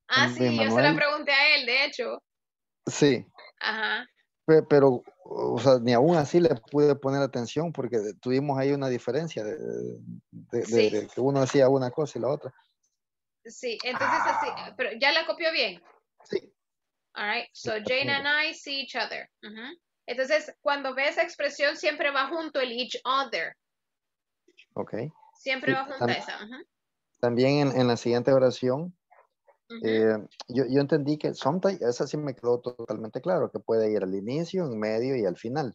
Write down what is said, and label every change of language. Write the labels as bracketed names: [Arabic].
[Spanish] Ah, Luis sí, Manuel. Yo se la pregunté a él, de hecho. Sí. Ajá. Pero, o sea, ni aún así le pude poner atención porque tuvimos ahí una diferencia de que uno decía una cosa y la otra. Sí, entonces así, pero ya la copió bien. Sí. [English] All right, so Jane and I see each other. Uh-huh. [Spanish] Entonces, cuando ve esa expresión, siempre va junto el each other. Ok. Siempre sí, va junto a esa. Uh-huh. También en la siguiente oración. Uh-huh. Yo entendí que sometimes, esa sí me quedó totalmente claro, que puede ir al inicio, en medio y al final.